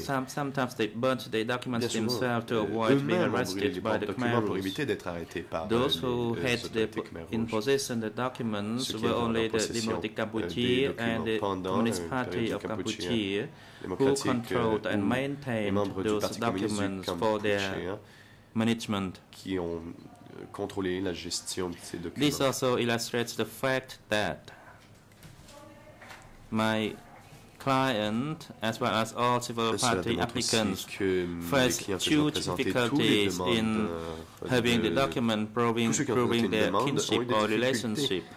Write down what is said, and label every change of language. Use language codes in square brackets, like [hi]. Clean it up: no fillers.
[en] Sometimes they burnt the documents themselves to avoid being arrested by the Khmer Rouge. [fr] Pour éviter d'être arrêtés par [en] those who had the in possession the documents were only the Democratic Cambodia and the Communist Party of Cambodia, who controlled and maintained those documents for their management. [fr] Qui ont contrôler la gestion de ces documents. [en] This also illustrates the fact that my client, as well as all civil party applicants, faced huge difficulties in having the document proving their kinship or relationship.